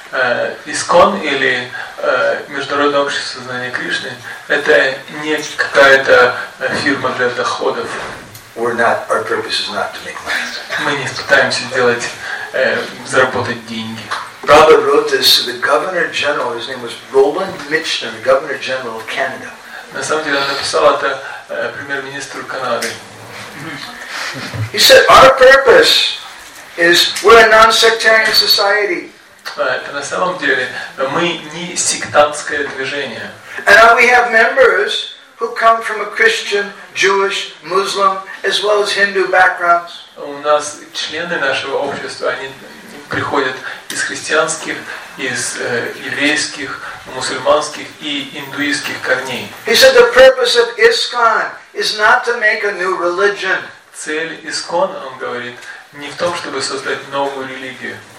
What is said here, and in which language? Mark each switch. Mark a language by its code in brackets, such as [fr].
[ru] ISKCON или Международное общество знания Кришны это не какая-то фирма для доходов. [en] We're not. Our purpose is not to make money. [ru] Мы не пытаемся делать заработать деньги. [en] Prabhupada wrote this to the Governor General. His name was Roland Michener, the Governor General of Canada. [ru] На самом деле он написал это премьер-министру Канады. [en] He said, "Our purpose is we're a non-sectarian society." [ru] Это на самом деле мы не сектантское движение. [en] And we have members who come from a Christian, Jewish, Muslim, as well as Hindu backgrounds. [ru] У нас члены нашего общества они приходят из христианских, из еврейских, мусульманских и индуистских корней. [en] He said, "The purpose of ISKCON is not to make a new religion." [ru] Цель ИСКОН, он говорит, не в том, чтобы создать новую религию.